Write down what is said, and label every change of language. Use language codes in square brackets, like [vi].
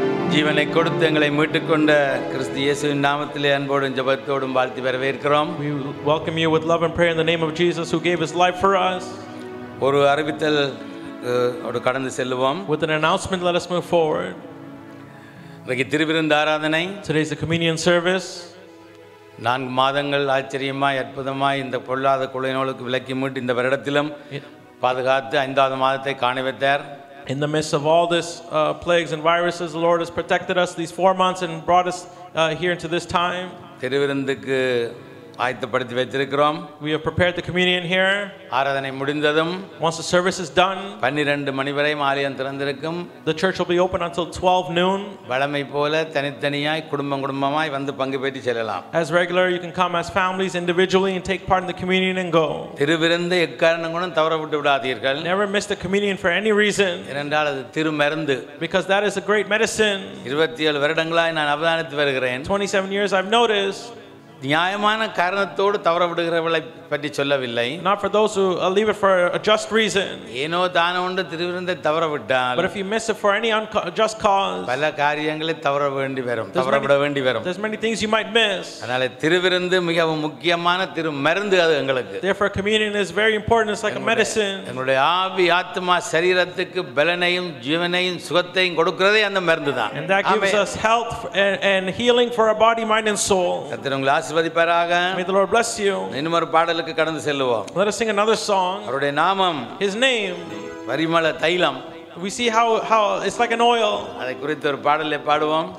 [ta] கிருபையினை கொடுத்து எங்களை மீட்டுக்கொண்ட கிறிஸ்து இயேசுவின் நாமத்திலே அன்போடும் ஜெபத்தோடும் வாழ்த்தி வரவேற்கிறோம். [en] We welcome you with love and prayer in the name of Jesus who gave his life for us. [ta] ஒரு அறிவித்தல் கடந்து செல்வோம். [en] With an announcement, let us move forward. [ta] இன்றைக்கு திருவிருந்து ஆராதனை. [en] Today is the communion service. [ta] 4 மாதங்கள் ஆச்சரியமாய் அற்புதமாய் இந்த பொல்லாத குழந்தைகளுக்கு விளக்கி மீட்டு இந்த வருடத்திலும் பாதுகாத்து 5th மாதத்தை காண வைத்தார். [en] In the midst of all this plagues and viruses, the Lord has protected us these 4 months and brought us here into this time. [ta] திருவிருந்துக்கு ஆயத்தப்படுத்தி வச்சிருக்கிறோம். [en] We have prepared the communion here. [ta] ஆராதனை முடிந்ததும் [en] once the service is done, [ta] 12 மணி வரை ஆலயம் திறந்திருக்கும். [en] The church will be open until 12 noon. [ta] வழமை போல தனித்தனியாய் குடும்பம் குடும்பமாய் வந்து பங்கு பெற்று செல்லலாம். [en] As regular, you can come as families individually and take part in the communion and go. [ta] திருவிருந்து எக்காரணங்களும் தவற விட்டு விடாதீர்கள். [en] Never miss the communion for any reason. [ta] ஏனென்றால் அது திருமருந்து. [en] Because that is a great medicine. [ta] 27 வருடங்களாய் நான் அவதானித்து வருகிறேன். [en] 27 years I've noticed. [ta] நியாயமான காரணத்தோடு தவற விடுகிறவளை பற்றி சொல்லவில்லை. [en] Not for those who leave it for a just reason. [ta] ஏனோ தானோண்டு திருவிருந்தை தவற விட்டால் [en] But if you miss it for any unjust cause. [ta] பல காரியங்களை தவற வேண்டி வரும். தவற விட வேண்டி வரும். [en] There's many things you might miss. [ta] அதனால திருவிருந்து மிகவும் முக்கியமான திருமருந்து அது உங்களுக்கு. [en] Therefore communion is very important. It's like a medicine. [ta] என்னுடைய ஆவி ஆத்மா சரீரத்துக்கு பலனையும் ஜீவனையும் சுகத்தையும் கொடுக்கிறதே அந்த மருந்து தான். [en] And that gives us health and healing for our body, mind and soul. May the Lord bless you. [ta] இன்னொரு பாடலுக்கு கடந்து செல்வோம். [en] Let us sing another song. [ta] அவருடைய நாமம் [en] His name [ta] பரிமள தைலம். [en] We see how it's like an oil. [ta] அதை குறித்து ஒரு பாடலை பாடுவோம்.